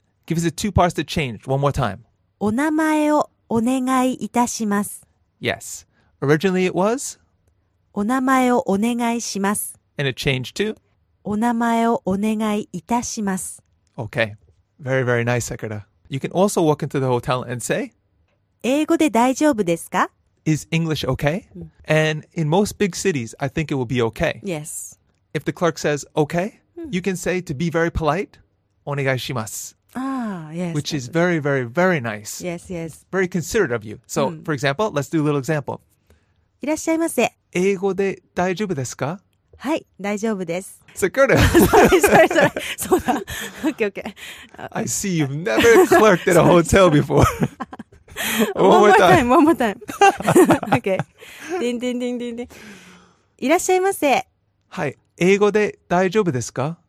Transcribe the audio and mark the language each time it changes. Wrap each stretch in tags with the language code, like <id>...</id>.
<en>Give us the two parts to change one more time.</en> <ja>お名前をお願いいたします。</ja> <en>Yes. Originally it was?</en> <ja>お名前をお願いします。</ja> <en>And it changed to?</en> <ja>お名前をお願いいたします。</ja> <en>Okay. Very, very nice, Sakura. You can also walk into the hotel and say?</en> <ja>英語で大丈夫ですか?</ja> <en>Is English okay? Mm. And in most big cities, I think it will be okay. Yes. If the clerk says okay, you can say to be very polite,</en> <ja>お願いします。</ja> <en>Yes, which is very, very, very nice. Yes, yes. Very considerate of you. So, for example, let's do a little example.</en> <ja>いらっしゃいませ。英語で大丈夫ですか? はい、大丈夫です。</ja> <en>Sakura! sorry.</en> <ja>そうだ。</ja> <en>Okay. I see you've never clerked at a hotel before. one more time. Okay. Ding, ding, ding, ding, ding.</en> <ja>いらっしゃいませ。はい、英語で大丈夫ですか?</ja>